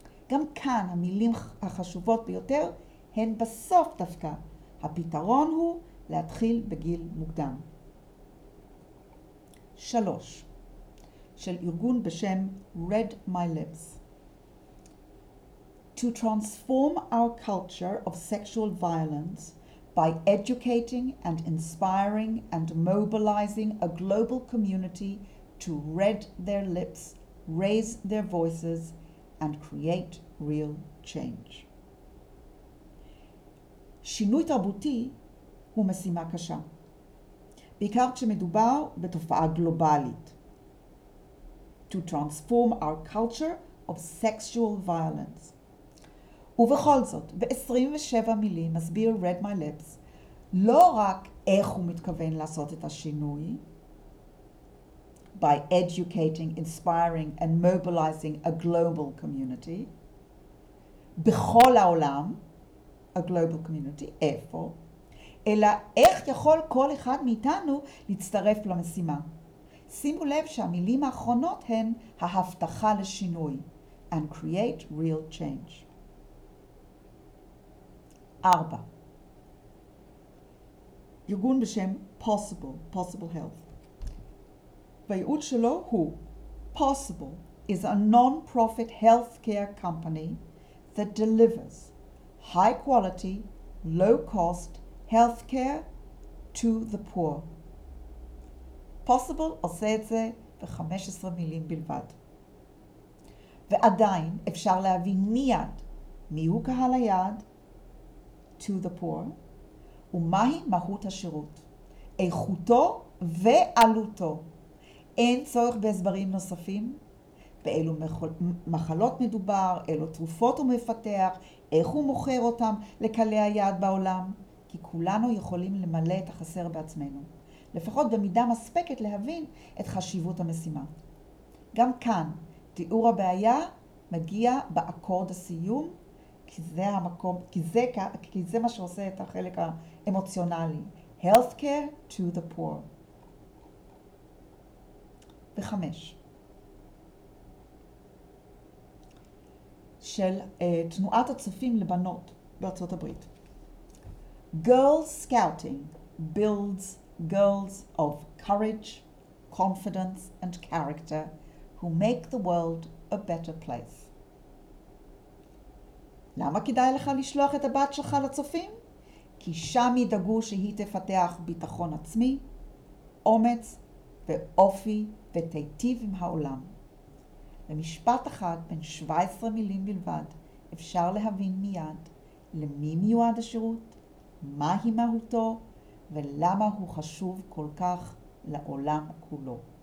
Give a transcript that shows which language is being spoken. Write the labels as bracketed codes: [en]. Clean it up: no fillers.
[he] גם כאן המילים החשובות ביותר הן בסוף דווקא. הפתרון הוא להתחיל בגיל מוקדם. 3. של ארגון בשם Read My Lips. [en] To transform our culture of sexual violence by educating and inspiring and mobilizing a global community to read their lips, raise their voices, and create real change. [he] שינוי תרבותי הוא משימה קשה, בעיקר כשמדובר בתופעה גלובלית. [en] To transform our culture of sexual violence. [he] ובכל זאת, ב-27 מילים מסביר Read My Lips לא רק איך הוא מתכוון לעשות את השינוי, [en] by educating, inspiring and mobilizing a global community, [he] בכל העולם, [en] a global community, [he] איפה, אלא איך יכול כל אחד מאיתנו להצטרף למשימה. שימו לב שהמילים האחרונות הן ההבטחה לשינוי, [en] and create real change. [he] 4. ארגון בשם Possible Health. והייעוד שלו הוא [en] Possible is a non-profit healthcare company that delivers high quality, low cost healthcare to the poor. [he] Possible עושה את זה ב-15 מילים בלבד. ועדיין אפשר להבין מיד מי הוא קהל היעד, [en] to the poor, [he] ומהי מהות השירות, איכותו ועלותו. אין צורך בהסברים נוספים, באילו מחלות מדובר, אילו תרופות הוא מפתח, איך הוא מוכר אותם לקהלי היעד בעולם, כי כולנו יכולים למלא את החסר בעצמנו, לפחות במידה מספקת להבין את חשיבות המשימה. גם כאן, תיאור הבעיה מגיע באקורד הסיום, כי זה המקום, כי זה מה שעושה את החלק האמוציונלי. [en] Healthcare to the poor. [he] ב-5. של תנועת הצופים לבנות בארצות הברית. [en] Girls Scouting builds girls of courage, confidence and character who make the world a better place. [he] למה כדאי לך לשלוח את הבת שלך לצופים? כי שם ידאגו שהיא תפתח ביטחון עצמי, אומץ ואופי ותיטיב עם העולם. במשפט אחד בין 17 מילים בלבד אפשר להבין מיד למי מיועד השירות, מהי מהותו ולמה הוא חשוב כל כך לעולם כולו.